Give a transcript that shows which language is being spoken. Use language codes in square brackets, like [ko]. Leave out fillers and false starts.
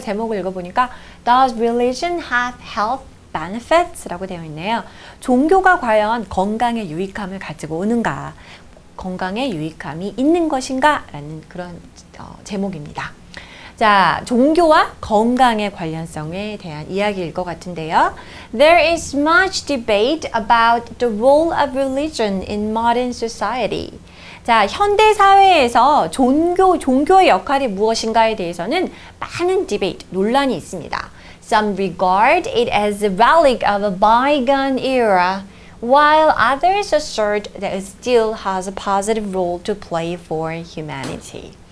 [ko] 제목을 읽어보니까 [en] Does religion have health benefits? [ko] 라고 되어 있네요. 종교가 과연 건강에 유익함을 가지고 오는가? 건강에 유익함이 있는 것인가? 라는 그런 제목입니다. 자, 종교와 건강의 관련성에 대한 이야기일 것 같은데요. [en] There is much debate about the role of religion in modern society. [ko] 자, 현대 사회에서 종교의 역할이 무엇인가에 대해서는 많은 debate, 논란이 있습니다. [en] Some regard it as a relic of a bygone era, while others assert that it still has a positive role to play for humanity.